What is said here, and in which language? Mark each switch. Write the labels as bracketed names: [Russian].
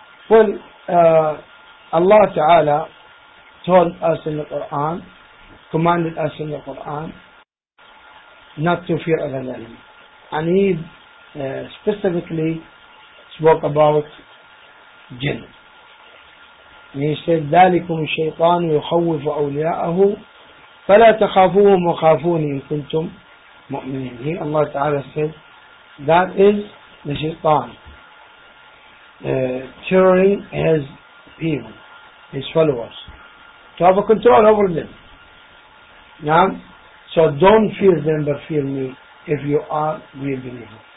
[English] Well, Allah Ta'ala told us in the Quran, commanded us in the Quran not to fear other than him. And he specifically spoke about jinn. [Arabic] He said, ذَلِكُمْ شَيْطَانُ يُخَوِّفُ أَوْلِيَاءَهُ فَلَا تَخَافُوهُمْ وَخَافُونِ إِن كُنْتُمْ مُؤْمِنِينَ. [English] He, Allah Ta'ala said, that is the shaitan, terroring his people, his followers, to have a control over them. Yeah? So don't fear them, but fear me, if you are real believers.